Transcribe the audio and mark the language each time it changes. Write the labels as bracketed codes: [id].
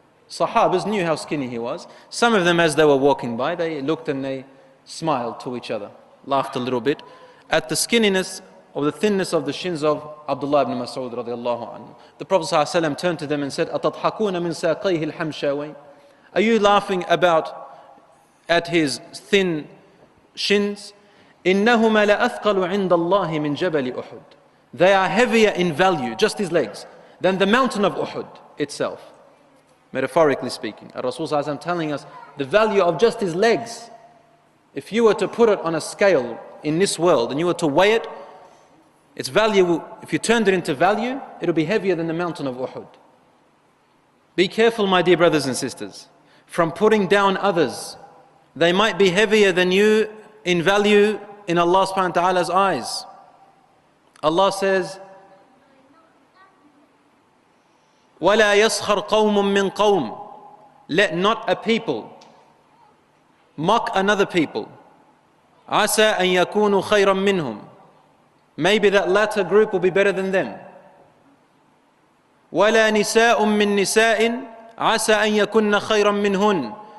[en] Sahabas knew how skinny he was. Some of them, as they were walking by, they looked and they smiled to each other, laughed a little bit at the skinniness or the thinness of the shins of Abdullah ibn Mas'ud radiallahu anhu. The Prophet ﷺ turned to them and said, [ar] أَتَضْحَكُونَ مِنْ سَاقَيْهِ الْحَمْشَوَيْنِ. [en] Are you laughing about at his thin shins? [ar] إِنَّهُمَا لَأَثْقَلُ عِنْدَ اللَّهِ مِنْ جَبَلِ Uhud. [en] They are heavier in value, just his legs, than the mountain of Uhud itself. Metaphorically speaking, Rasulullah ﷺ telling us the value of just his legs. If you were to put it on a scale in this world and you were to weigh it, its value, if you turned it into value, it'll be heavier than the mountain of Uhud. Be careful, my dear brothers and sisters, from putting down others. They might be heavier than you in value in Allah subhanahu wa ta'ala's eyes. Allah says, [ar] وَلَا يَسْخَرْ قَوْمٌ مِّنْ قَوْمٍ. [en] Let not a people mock another people. [ar] عَسَىٰ أَن يَكُونُ خَيْرًا مِّنْهُمْ. [en] Maybe that latter group will be better than them. [ar] وَلَا نِسَاءٌ مِّن نِسَاءٍ عَسَىٰ أَن يَكُنَّ خَيْرًا مِّنْهُنْ.